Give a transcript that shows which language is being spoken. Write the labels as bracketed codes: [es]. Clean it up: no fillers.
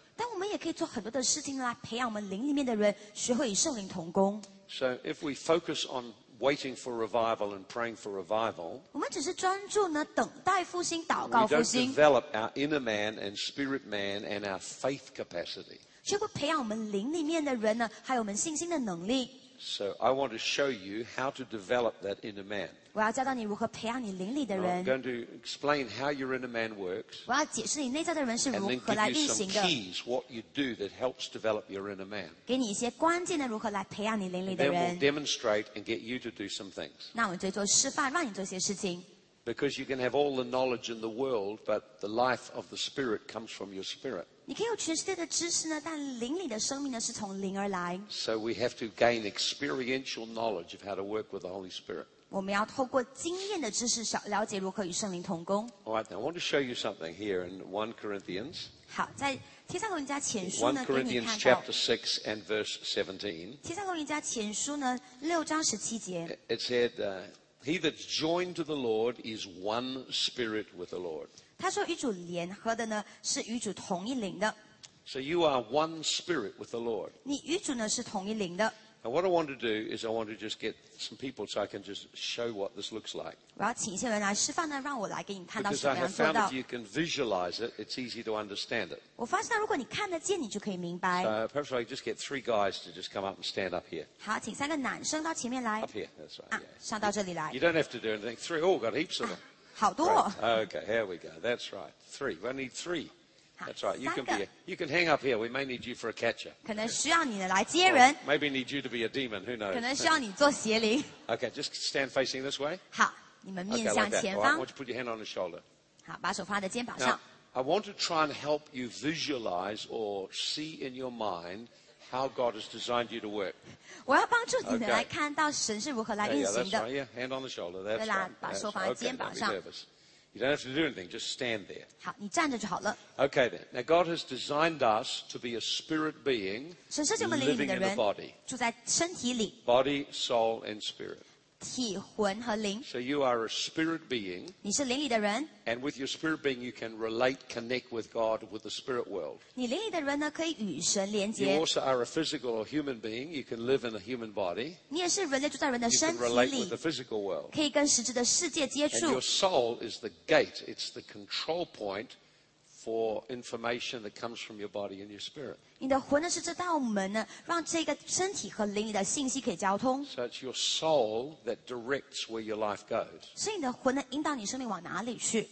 [zh] 但我们也可以做很多的事情来培养我们灵里面的人学会与圣灵同工。 [en] So if we focus on waiting for revival and praying for revival, [zh] 我们只是专注呢等待复兴祷告复兴。 [en] We don't develop our inner man and spirit man and our faith capacity. [zh] 学会培养我们灵里面的人呢还有我们信心的能力。 [en] So I want to show you how to develop that inner man. [zh] 我要教导你如何培养你灵里的人。 [en] I'm going to explain how your inner man works. [zh] 我要解释你内在的人是如何来运行的。 [en] And then give you some keys, what you do that helps develop your inner man. [zh] 给你一些关键的如何来培养你灵里的人。 [en] And then we'll demonstrate and get you to do some things. [zh] 那我们就做示范，让你做一些事情。 [en] Because you can have all the knowledge in the world, but the life of the spirit comes from your spirit. [zh] 你可以有全世界的知识呢，但灵里的生命呢，是从灵而来。 [en] So we have to gain experiential knowledge of how to work with the Holy Spirit. [zh] 我们要透过经验的知识，了解如何与圣灵同工。 [en] All right, I want to show you something here in 1 Corinthians. [zh] 好，在帖撒罗尼迦前书呢，给你看到。 [en] 1 Corinthians chapter 6 and verse 17. [zh] 帖撒罗尼迦前书呢，六章十七节。 [en] It said, "He that's joined to the Lord is one spirit with the Lord." [zh] 他说与主联合的呢是与主同一灵的。 [en] So you are one spirit with the Lord. [zh] 你与主呢是同一灵的。 [en] And what I want to do is I want to just get some people so I can just show what this looks like. [zh] 我要请一些人来示范呢，让我来给你看到怎么样做到。 [en] Because I have found if you can visualize it, it's easy to understand it. [zh] 我发现如果你看得见，你就可以明白。 [en] So perhaps I just get three guys to just come up and stand up here. [zh] 好，请三个男生到前面来。 [en] Up here, that's right. 啊、 yeah. ， [zh] 上到这里来。 [en] You don't have to do anything. Three, oh, got heaps of them. [zh] 好多、哦。 [en] Right. Okay, here we go. That's right. Three. We need three. That's right. You can hang up here. We may need you for a catcher. [zh] 可能需要你来接人。 [en] Or、maybe need you to be a demon. Who knows? [zh] 可能需要你做邪灵。 [en] Okay, just stand facing this way. [zh] 好，你们面向 okay,、like、前方。 [en] Right. I want you to put your hand on the shoulder. [zh] 好，把手放在肩膀上。 [en] Now, I want to try and help you visualize or see in your mind. How God has designed you to work. [zh] 我要帮助你们来看到神是如何来运行的。 [en] Yeah, that's right. Yeah, hand on the shoulder. That's right. [zh] 对啦，把手放在肩膀上。 [en] Okay, don't be nervous. You don't have to do anything. Just stand there. [zh] 好，你站着就好了。 [en] Okay then. Now God has designed us to be a spirit being, living in a body, [zh] 住在身体里。 [en] Body, soul, and spirit. [zh] 体魂和灵。 [en] So you are a spirit being. [zh] 你是灵里的人。 [en] And with your spirit being, you can relate, connect with God, with the spirit world. [zh] 你灵里的人呢，可以与神连接。 [en] You also are a physical or human being. You can live in a human body. [zh] 你也是人类住在人的身体里。 [en] You can relate with the physical world. [zh] 可以跟实质的世界接触。 [en] And your soul is the gate. It's the control point for information that comes from your body and your spirit. [zh] 你的魂呢是这道门呢，让这个身体和灵里的信息可以交通。 [en] So it's your soul that directs where your life goes. [zh] 所以你的魂呢引导你生命往哪里去。